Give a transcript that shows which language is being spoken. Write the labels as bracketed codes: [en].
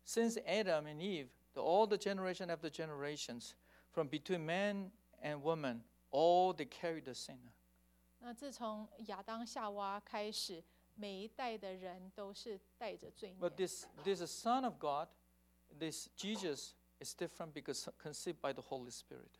[en] Since Adam and Eve, all the generation after generations, from between man and woman, all they carry the sin. [zh] 那自从亚当夏娃开始，每一代的人都是带着罪孽。 [en] But this Son of God, this Jesus, is different because conceived by the Holy Spirit.